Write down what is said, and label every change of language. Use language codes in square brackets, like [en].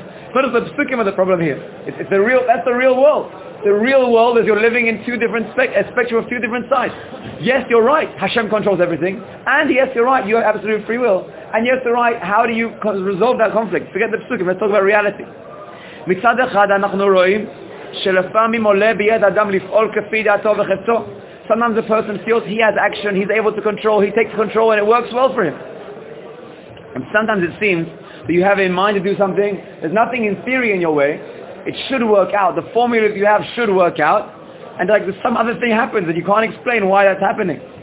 [en] What is the psukim of the problem here? It's the real. That's the real world. The real world is you're living in two different a spectrum of two different sides. Yes, you're right. Hashem controls everything. And yes, you're right. You have absolute free will. And yes, you're right. How do you resolve that conflict? Forget the psukim. Let's talk about reality. [he] מצד אחד אנחנו רואים שלפעמים עולה ביד אדם לפעול כפי דעתו וחפצו. [en] Sometimes a person feels he has action, he's able to control, he takes control and it works well for him. And sometimes it seems that you have in mind to do something, there's nothing in theory in your way, it should work out, the formula you have should work out, and like some other thing happens and you can't explain why that's happening.